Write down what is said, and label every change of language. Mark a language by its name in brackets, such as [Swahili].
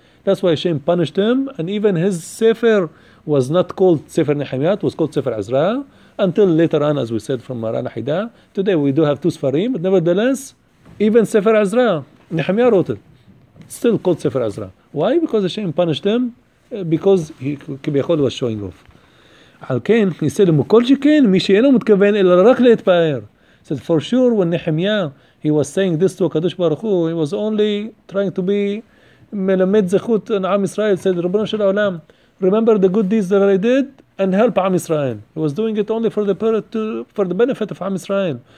[English] That's why Hashem punished him. And even his Sefer was not called Sefer Nehemiah, it was called Sefer Ezra. Until later on, as we said from Maran Hida. Today we do have two Sfarim, but nevertheless, even Sefer Ezra, Nehemiah wrote it. Still called Sefer Ezra. Why? Because Hashem punished him, because he Kibyachol was showing off. [Hebrew] על כן, [English] he said, [Hebrew] מכל שכן, מי שאינו מתכוון, אלא רק להתפאר. [English] He said, for sure, when Nehemiah, he was saying this to הקדוש ברוך הוא, he was only trying to be, מלמד זכות על עם ישראל, said, [Hebrew] רבונו של העולם, [English] remember the good deeds that I did, and help עם ישראל. He was doing it only for the benefit of עם ישראל.